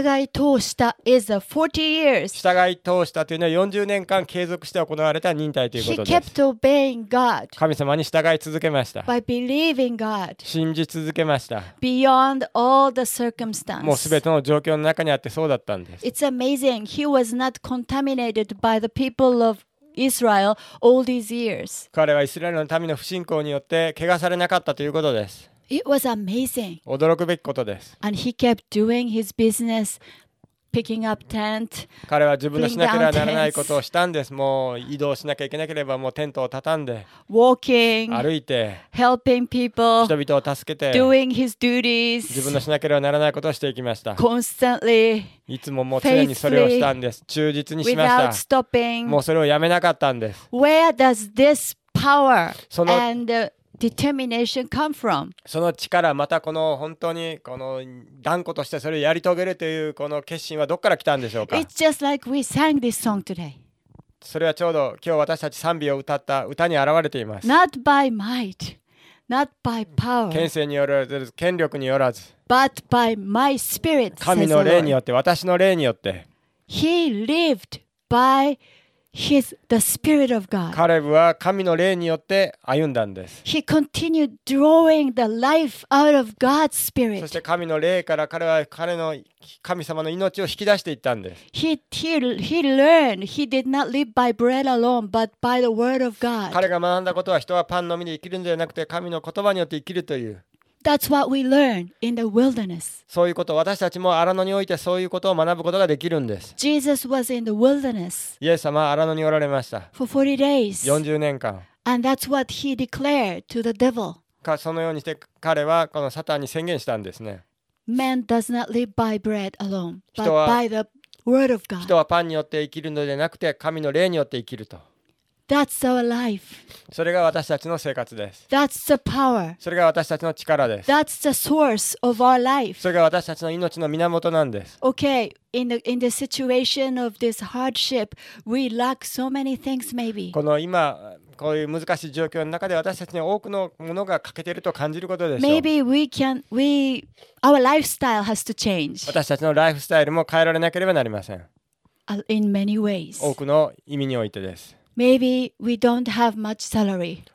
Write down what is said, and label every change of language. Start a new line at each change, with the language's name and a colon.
Japanese: 従い通した
English: is a 40 years.
Japanese: 従い通したというのは40年間継続して行われた忍耐ということです。
English: He kept obeying God.
Japanese: 神様に従い続けました。
English: By believing God.
Japanese: 信じ続けました。
English: Beyond all the circumstances.
Japanese: もうすべての状況の中にあってそうだったんです。
English: It's amazing. He was not contaminated by the people of God. Israel, all these years.
Japanese: 彼はイスラエルの民の不信仰によって汚されなかったということです。
English: It was amazing.
Japanese: 驚くべきことです。
English: And he kept doing his business, picking up tent.
Japanese: 彼は自分のしなければならないことをしたんです。もう移動しなきゃいけなければもうテントを畳んで、
English: walking,
Japanese: 歩いて、
English: helping people,
Japanese: 人々を助けて、
English: doing his duties.
Japanese: 自分のしなければならないことをしていきました。
English: Constantly.
Japanese: いつももう常にそれをしたんです。忠実にしました。もうそれをやめなかったんです。
English: Where does this power and determination come from?
Japanese: その力、またこの本当にこの断固としてそれをやり遂げるというこの決心はどこから来たんでしょうか?
English: It's just like we sang this song today.
Japanese: それはちょうど今日私たち賛美を歌った歌に表れています。
English: Not by might, not by power.
Japanese: 権勢によらず、権力によらず。
English: But by my spirit,
Japanese: 神の霊によって、私の霊によって。
English: He lived by the spirit of God.
Japanese: カレブは神の霊によって歩んだんです。
English: He continued drawing the life out of God's spirit.
Japanese: そして神の霊から彼は彼の神様の命を引き出していったんです。
English: He learned he did not live by bread alone, but by the word of God.
Japanese: 彼が学んだことは人はパンのみで生きるんではなくて神の言葉によって生きるという。
English: That's what we learn in the wilderness.
Japanese: そういうこと、私たちも荒野においてそういうことを学ぶことができるんです。
English: Jesus was in the wilderness.
Japanese: イエス様は荒野におられました。
English: For 40 days.
Japanese: 40年間。
English: And that's what he declared to the devil.
Japanese: か、そのようにして彼はこのサタンに宣言したんですね。
English: Man does not live by bread alone, but by the word of God.
Japanese: 人はパンによって生きるのでなくて神の霊によって生きると。
English: That's our life.
Japanese: それが私たちの生活です。
English: That's the power.
Japanese: それが私たちの力です。
English: That's the source of our life.
Japanese: それが私たちの命の源なんです。
English: Okay, in the situation of this hardship, we lack so many things maybe.
Japanese: この今こういう難しい状況の中で私たちに多くのものが欠けていると感じることでしょう。
English: Maybe our lifestyle has to change.
Japanese: 私たちのライフスタイルも変えられなければなりません。
English: In many ways.
Japanese: 多くの意味においてです。
English: Maybe we don't have much salary.